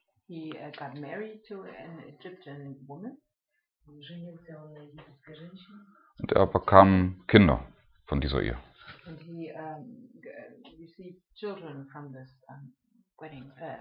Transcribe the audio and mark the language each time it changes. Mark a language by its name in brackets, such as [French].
[English] He got married to an Egyptian woman. [German] Und er bekam Kinder von dieser Ehe. [English] And he received children from this wedding.